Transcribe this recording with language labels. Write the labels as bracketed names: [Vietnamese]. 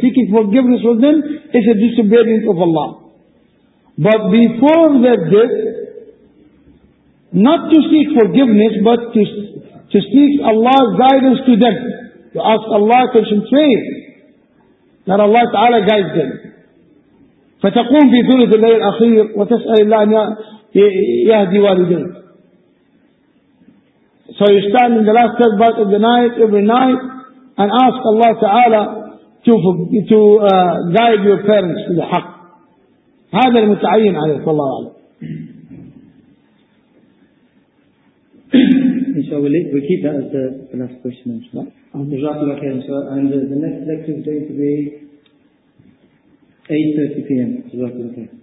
[English] Seeking forgiveness for them is a disobedience of Allah. But before their death, not to seek forgiveness, but to seek Allah's guidance to them. To ask Allah to concentrate that Allah Ta'ala guides them. [Arabic] فتقوم في ثلث الليل الأخير وتسأل الله أن يهدي والديك. [English] So you stand in the last third part of the night, every night, and ask Allah Ta'ala to guide your parents to the haqq. [Arabic] هذا المتعين عليه صلى الله عليه وسلم. [English] Inshallah, we keep that as the last question, inshallah. JazakAllah khair, inshallah. And the next lecture is going to be 8:30 p.m. JazakAllah khair.